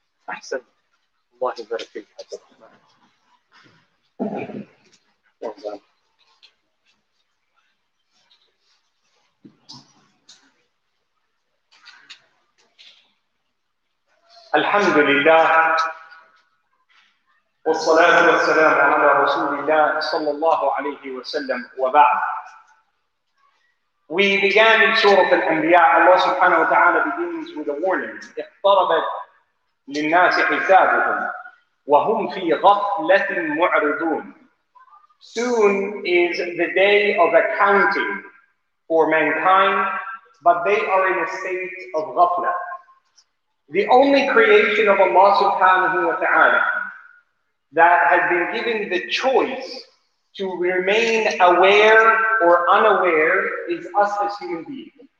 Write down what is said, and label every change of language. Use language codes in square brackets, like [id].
[ar] أحسن الله يبارك فيك عبد الرحمن الحمد لله والصلاة والسلام على رسول الله صلى الله عليه وسلم وبعد. [en] We began in Surah Al-Anbiya. Allah subhanahu wa ta'ala begins with a warning. [ar] اقتربت للناس حسابهم وهم في غفلة معرضون. [en] Soon is the day of accounting for mankind, but they are in a state of غفلة. The only creation of Allah subhanahu wa ta'ala that has been given the choice to remain aware or unaware is us as human beings.